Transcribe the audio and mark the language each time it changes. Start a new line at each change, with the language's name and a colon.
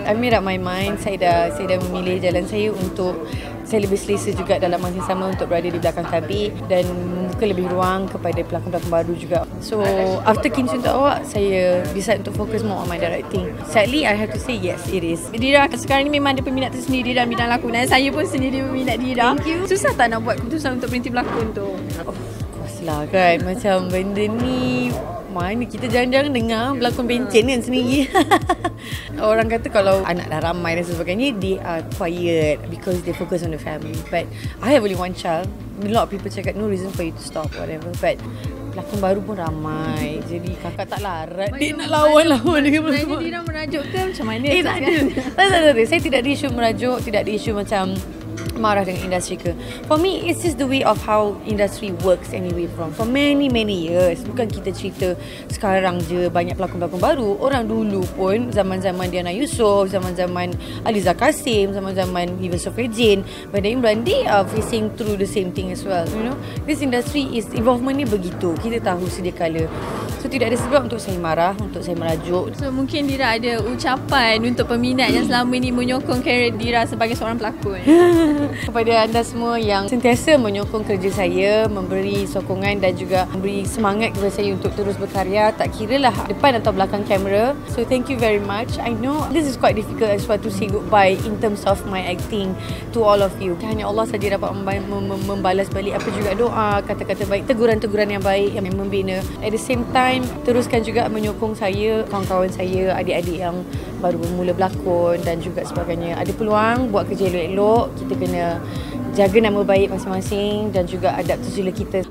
English: I made up my mind.
Malay: Saya dah memilih jalan saya untuk saya lebih selesa juga dalam masa yang sama untuk berada di belakang tabir dan membuka lebih ruang kepada pelakon-pelakon baru juga.
English: So, after Kimchi Untuk Awak,
Malay: saya
English: decide
Malay: untuk fokus
English: more on my directing. Sadly, I have to say yes, it is.
Malay: Dira, sekarang ni memang ada peminat tersendiri dalam bidang lakonan. Saya pun sendiri peminat Dira.
English: Thank you.
Malay: Susah tak nak buat keputusan untuk berhenti berlakon tu? Lah kan, macam benda ni mana kita jarang-jarang dengar berlakon bencin kan sendiri. Orang kata kalau anak dah ramai dan sebagainya,
English: they are quiet because they focus on the family. But I have only one child. A lot of people
Malay: cakap
English: no reason for you to stop whatever, but
Malay: pelakon baru pun ramai. Jadi kakak tak larat dia nak lawan-lawan dengan mereka. Maksudnya dia nak merajuk ke macam mana? Tak ada. Saya tidak ada isu merajuk, tidak ada isu macam marah dengan industri ke.
English: For me, it's just the way of how industry works anyway from for many, many years.
Malay: Bukan kita cerita sekarang je banyak pelakon-pelakon baru. Orang dulu pun, zaman-zaman
English: Diana Yusof, zaman-zaman Aliza Kasim, zaman-zaman even Sofie Jane, Badai Imran, they are facing through the same thing as well. You know, this industry is involvement
Malay: ni begitu. Kita tahu sedia kala. So, tidak ada sebab untuk saya marah, untuk saya merajuk. So, mungkin Dira ada ucapan untuk peminat yang selama ni menyokong karier Dira sebagai seorang pelakon. Kepada anda semua yang sentiasa menyokong kerja saya, memberi sokongan dan juga memberi semangat kepada saya untuk terus berkarya, tak kiralah depan atau belakang kamera.
English: So thank you very much. I know this is quite difficult as well to say goodbye in terms of my acting to all of you.
Malay: Hanya Allah saja dapat membalas balik apa juga doa, kata-kata baik, teguran-teguran yang baik yang membina.
English: At the same time,
Malay: teruskan juga menyokong saya, kawan-kawan saya, adik-adik yang baru bermula berlakon dan juga sebagainya. Ada peluang, buat kerja elok-elok. Kita kena jaga nama baik masing-masing dan juga adab tersila kita.